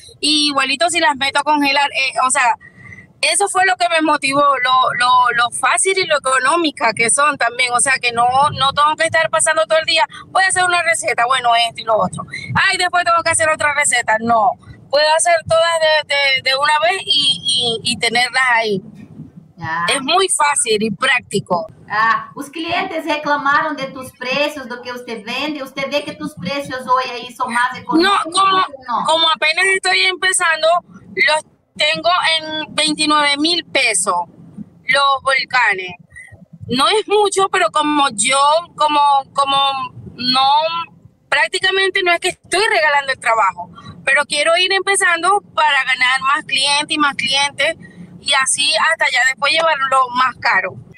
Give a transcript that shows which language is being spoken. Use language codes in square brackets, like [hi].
[es] Y igualito si las meto a congelar, o sea, eso fue lo que me motivó, lo fácil y lo económica que son también. O sea, que no tengo que estar pasando todo el día, voy a hacer una receta, bueno, esto y lo otro. Ay, después tengo que hacer otra receta. No, puedo hacer todas de una vez y tenerlas ahí. Es muy fácil y práctico. [pt] Os clientes reclamaram de tus preços, do que você vende. Você vê que tus preços hoje aí são mais [es] No, [pt] econômicos ou não? [es] como apenas estoy empezando, los tengo en 29 mil pesos los volcanes. No es mucho, pero como yo, como no, prácticamente no es que estoy regalando el trabajo, pero quiero ir empezando para ganar más clientes y más clientes y así hasta ya después llevarlo más caro.